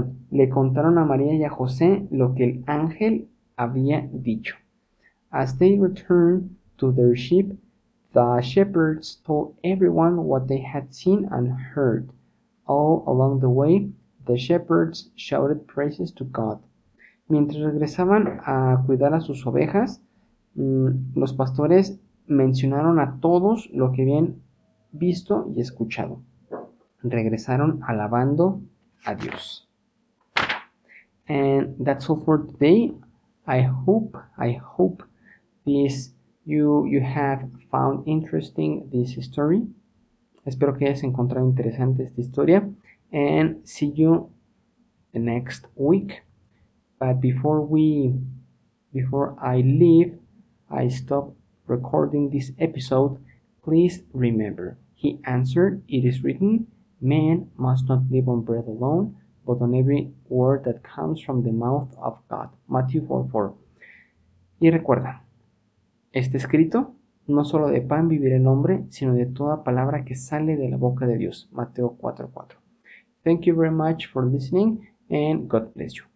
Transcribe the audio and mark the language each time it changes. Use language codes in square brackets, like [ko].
[es] Le contaron a María y a José lo que el ángel había dicho. [en] As they returned to their sheep, the shepherds told everyone what they had seen and heard. All along the way, the shepherds shouted praises to God. [es] Mientras regresaban a cuidar a sus ovejas, los pastores mencionaron a todos lo que habían visto y escuchado. Regresaron alabando a Dios. [en] And that's all for today. I hope this you have found interesting this story. [es] Espero que hayas encontrado interesante esta historia. [en] And see you the next week. But before I leave, I stop recording this episode. Please remember, he answered, it is written, man must not live on bread alone, but on every word that comes from the mouth of God. Matthew 4:4. [es] Y recuerda, está escrito, no solo de pan vivirá el hombre, sino de toda palabra que sale de la boca de Dios. Mateo 4:4. [en] Thank you very much for listening and God bless you.